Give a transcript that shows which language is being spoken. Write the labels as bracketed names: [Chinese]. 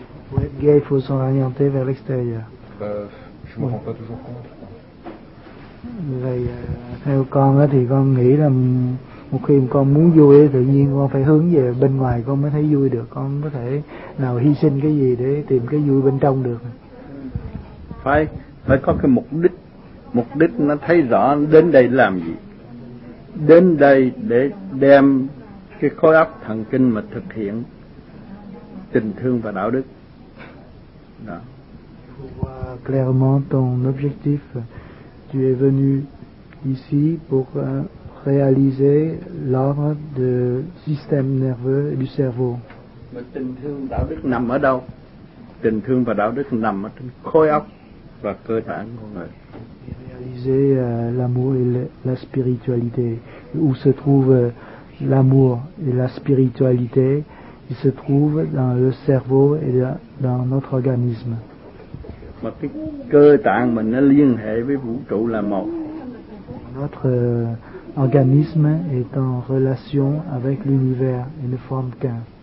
[French] Pour être gay, il faut s'orienter vers l'extérieur. Je ne me rends pas toujours compte. [Vietnamese] Vậy, theo con thì con nghĩ là một khi con muốn vui, tự nhiên con phải hướng về bên ngoài con mới thấy vui được. Con có thể nào hy sinh cái gì để tìm cái vui bên trong được. Phải có cái mục đích. Mục đích nó thấy rõ đến đây làm gì. Đến đây để đem cái khối óc thần kinh mà thực hiện tình thương và đạo đức. Đó. [French] Clairement ton objectif, tu es venu ici pour réaliser l'ordre du système nerveux et du cerveau. [Vietnamese] Mais tình thương đạo đức nằm ở đâu? Tình thương và đạo đức nằm ở trên khối óc và cơ thể của người. [French] Réaliser l'amour et la spiritualité. Où se trouve l'amour et la spiritualité? Il se trouve dans le cerveau et dans notre organisme. [Vietnamese] Mà cái cơ tạng mình nó liên hệ với vũ trụ là một, [French] votre organisme est en relation avec l'univers et ne forme qu'un.